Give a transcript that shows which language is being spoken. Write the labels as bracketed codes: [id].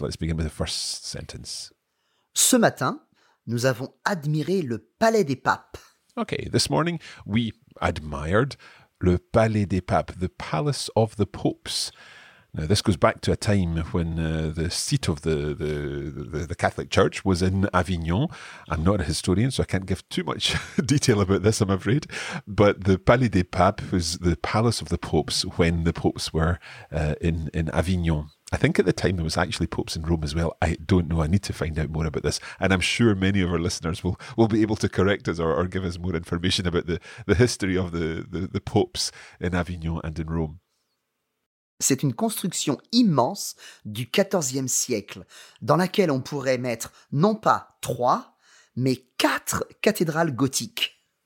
[en] Let's begin with the first sentence. [fr] Ce matin, nous avons admiré le Palais des Papes. [en] Okay, this morning we admired le Palais des Papes, the Palace of the Popes. Now, this goes back to a time when the seat of the Catholic Church was in Avignon. I'm not a historian, so I can't give too much detail about this, I'm afraid. But the Palais des Papes was the palace of the popes when the popes were in Avignon. I think at the time there was actually popes in Rome as well. I don't know. I need to find out more about this. And I'm sure many of our listeners will be able to correct us or give us more information about the history of the popes in Avignon and in Rome. [fr] C'est une construction immense du XIVe siècle, dans laquelle on pourrait mettre non pas trois, mais quatre cathédrales gothiques.